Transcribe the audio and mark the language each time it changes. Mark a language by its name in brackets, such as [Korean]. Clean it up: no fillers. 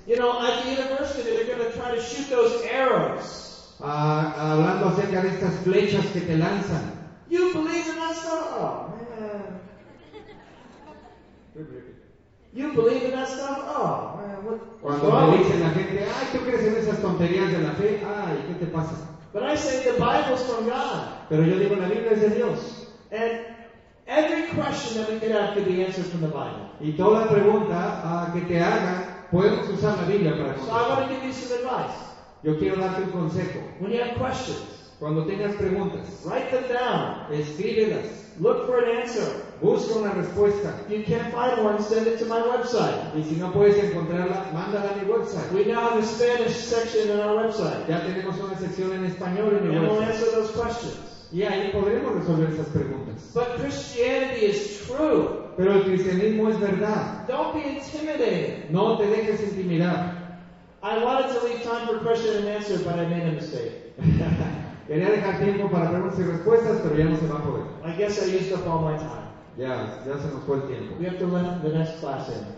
[English] You know, at the university, they're going to try to shoot those arrows. [Spanish] Hablando acerca de estas flechas que te lanzan. [English] You believe in that stuff? Oh, man. You believe in that stuff? Oh, man, [Spanish] cuando me dicen la gente, ay, ¿tú crees en esas tonterías de la fe? Ay, ¿qué te pasa? [English] But I say the Bible's from God. [Spanish] Pero yo digo, la Biblia es de Dios. [English] And every question that we could have could be answered from the Bible. [Spanish] Y toda pregunta que te haga, puedes usar la Biblia para contestar. [English] So I want to give you some advice. [Spanish] Yo quiero darte un consejo. [English] When you have questions, [Spanish] cuando tengas preguntas, [English] write them down. [Spanish] Escríbelas. [English] Look for an answer. [Spanish] Busca una respuesta. [English] If you can't find one, send it to my website. [Spanish] Y si no puedes encontrarla, mándala a mi website. [English] We now have a Spanish section on our website. [Spanish] Ya tenemos una sección en español en mi [English] and website. We'll answer those questions. [Spanish] Y ahí podremos resolver esas preguntas. [English] But Christianity is true. [Spanish] Pero el cristianismo es verdad. [English] Don't be intimidated. [Spanish] No te dejes intimidar. [English] I wanted to leave time for question and answer, but I made a mistake. [Spanish] Quería dejar tiempo para preguntas y respuestas, pero ya no se va a poder. [English] I guess I used up all my time. [Spanish] Ya se nos fue el tiempo. [English] We have to let the next class in.